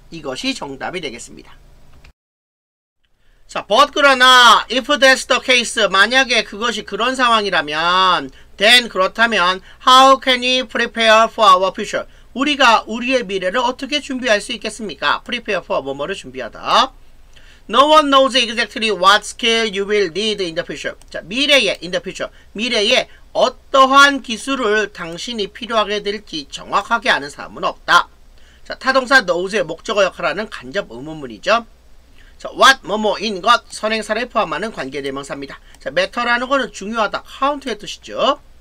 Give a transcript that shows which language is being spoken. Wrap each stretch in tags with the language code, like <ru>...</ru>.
<ko>이것이 정답이 되겠습니다.</ko> <en>자, but 그러나 if that's the case</en> <ko>만약에 그것이 그런 상황이라면</ko> <en>then 그렇다면 how can we prepare for our future?</en> <ko>우리가 우리의 미래를 어떻게 준비할 수 있겠습니까? prepare for 뭐뭐를 준비하다.</ko> <en>No one knows exactly what skill you will need in the future.</en> <ko>자, 미래에</ko> <en>in the future.</en> <ko>미래에 어떠한 기술을 당신이 필요하게 될지 정확하게 아는 사람은 없다. 자, 타동사 knows의 목적어 역할하는 간접 의문문이죠. 자, what, 뭐뭐, in, 것, 선행사를 포함하는 관계대명사입니다. 자, matter라는 것은 중요하다, count의 뜻이죠.</ko>